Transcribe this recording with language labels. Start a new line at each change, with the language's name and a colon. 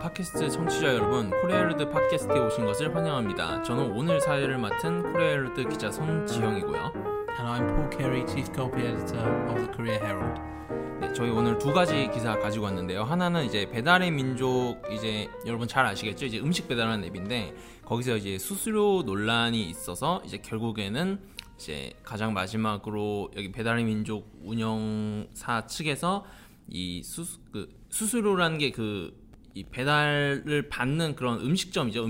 Korean: 팟캐스트 청취자 여러분, 코리아헤럴드 팟캐스트에 오신 것을 환영합니다. 저는 오늘 사회를 맡은 코리아헤럴드 기자 손지영이고요.
English: And I'm Paul Carey, Chief Copy Editor of the Korea Herald.
Korean: 네, 저희 오늘 두 가지 기사 가지고 왔는데요. 하나는 이제 배달의 민족, 이제 여러분 잘 아시겠죠? 이제 음식 배달하는 앱인데, 거기서 이제 수수료 논란이 있어서 이제 결국에는 이제 가장 마지막으로 여기 배달의 민족 운영사 측에서 이 수수료라는 게 그 이 배달을 받는 그런 음식점이죠.